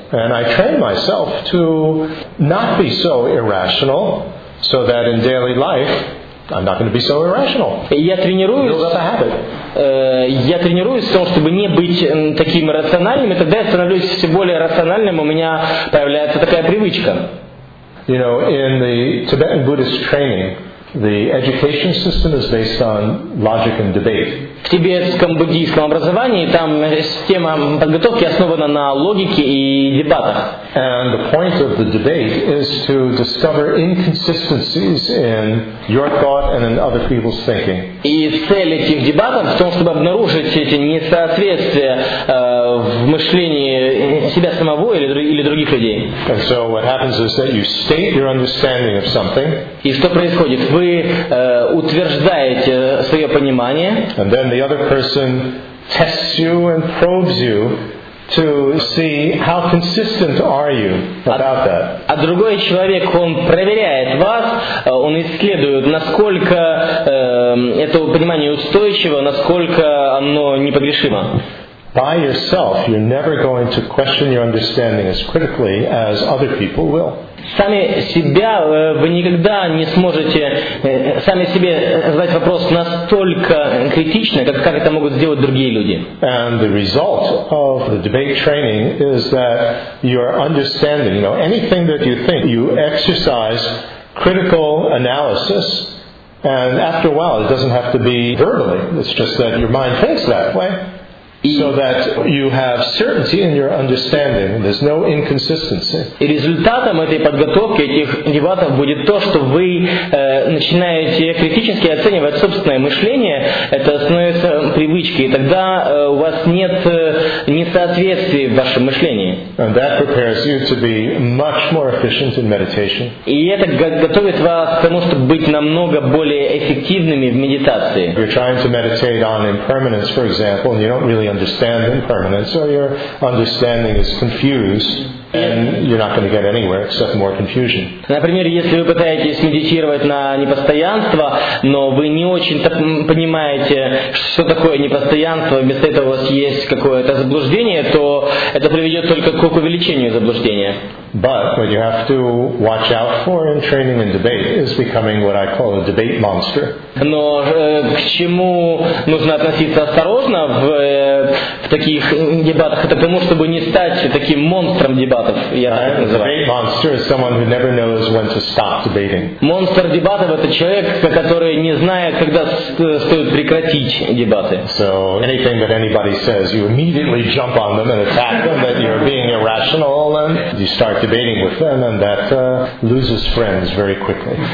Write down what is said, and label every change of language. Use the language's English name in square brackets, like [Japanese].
[English] And I train myself to not be so irrational, so that in daily life I'm not going to be so irrational. [Russian] Я тренируюсь в том, чтобы не быть таким рациональным, и тогда я становлюсь все более рациональным, у меня появляется такая привычка. [English] You know, in the Tibetan Buddhist training, the education system is based on logic and debate. [Russian] В тибетском буддийском образовании там система подготовки основана на логике и дебатах. [English] And the point of the debate is to discover inconsistencies in your thought and in other people's thinking. [Russian] И цель этих дебатов в том, чтобы обнаружить эти несоответствия в мышлении себя самого или других людей. [English] And so what happens is that you state your understanding of something. [Russian] И что происходит? Вы утверждаете свое понимание. [English] And then the other person tests you and probes you to see how consistent are you about that. [Russian] А другой человек, он проверяет вас, он исследует, насколько это понимание устойчиво, насколько оно непогрешимо. [English] By yourself, you're never going to question your understanding as critically as other people will. [Russian] Сами себя вы никогда не сможете сами себе задать вопрос настолько критично, как это могут сделать другие люди. [English] And the result of the debate training is that your understanding, you know, anything that you think, you exercise critical analysis. And after a while, it doesn't have to be verbally. It's just that your mind thinks that way. So that you have certainty in your understanding. There's no inconsistency. [Russian] И результатом этой подготовки, этих дебатов, будет то, что вы начинаете критически оценивать собственное мышление, это становится привычкой, и тогда у вас нет несоответствий в вашем мышлении. [English] And that prepares you to be much more efficient in meditation. [Russian] И это готовит вас к тому, чтобы быть намного более эффективными в медитации. [English] You're trying to meditate on impermanence, for example, and you don't really understand impermanence, or your understanding is confused. and you're not going to get anywhere except more confusion. [Russian] Например, если вы пытаетесь медитировать на непостоянство, но вы не очень понимаете, что такое непостоянство, вместо этого у вас есть какое-то заблуждение, то это приведет только к увеличению заблуждения. [English] But what you have to watch out for in training and debate is becoming what I call a debate monster. [Russian] Но к чему нужно относиться осторожно в таких дебатах? Это потому, чтобы не стать таким монстром дебатов, я так называю. [English] A debate monster is someone who never knows when to stop debating. [Russian] Монстр дебатов – это человек, который не знает, когда стоит прекратить дебаты. [English] So anything that anybody says, you immediately jump on them and attack them that you're being irrational, and you start debating with them, and that loses friends very quickly.